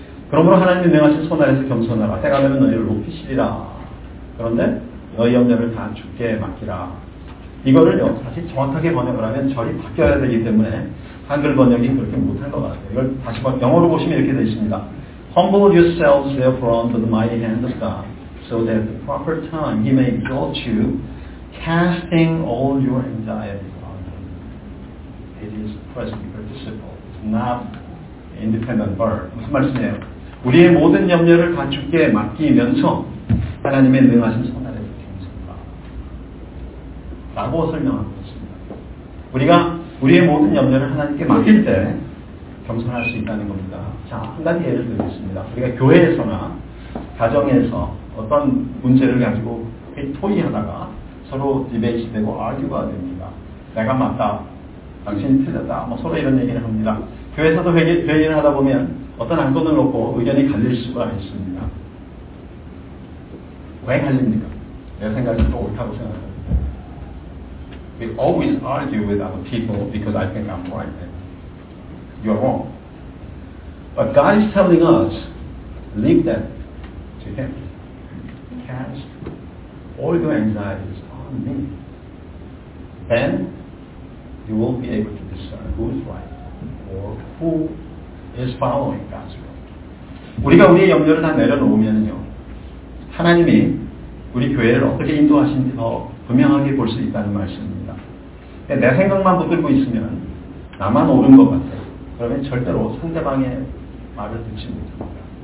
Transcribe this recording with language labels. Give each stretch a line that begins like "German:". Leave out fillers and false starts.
Korean: 그러므로 하나님의 능하신 손 아래서 겸손하라. 때가 되면 너희를 높이시리라. 그런데 너희 염려를 다 주께 맡기라. 이거를요, 사실 정확하게 번역을 하면 절이 바뀌어야 되기 때문에 한글 번역이 그렇게 못한 것 같아요. 이걸 다시 한번 영어로 보시면 이렇게 되어 있습니다.
English: Humble yourselves therefore under the mighty hand of God, so that at the proper time He may exalt you, casting all your anxieties on Him. It is present participle, not independent verb.
Korean: 무슨 말씀이에요? 우리의 모든 염려를 다 주께 맡기면서 하나님의 능하신 손 아래서 겸손하라. 라고 설명하고 있습니다. 우리가 우리의 모든 염려를 하나님께 맡길 때 겸손할 수 있다는 겁니다. 자, 한 가지 예를 들겠습니다. 우리가 교회에서나 가정에서 어떤 문제를 가지고 토의하다가 서로 디베이트 되고 아규가 됩니다. 내가 맞다, 당신이 틀렸다, 뭐 서로 이런 얘기를 합니다. 교회에서도 회의를 하다 보면 어떤 안건을 놓고 의견이 갈릴 수가 있습니다. 왜 갈립니까? 내 생각이 또 옳다고 생각합니다.
English: We always argue with other people because I think I'm right. You're wrong. But God is telling us, leave that to Him. Cast all your anxieties on me. Then you will be able to discern who is right or who is following God's will.
Korean: 우리가 우리의 염려를 다 내려놓으면요, 하나님이 우리 교회를 어떻게 인도하시는지 더 분명하게 볼 수 있다는 말씀입니다. 내 생각만 붙들고 있으면 나만 옳은 것 같아요. 그러면 절대로 상대방의 말을 듣지 못합니다.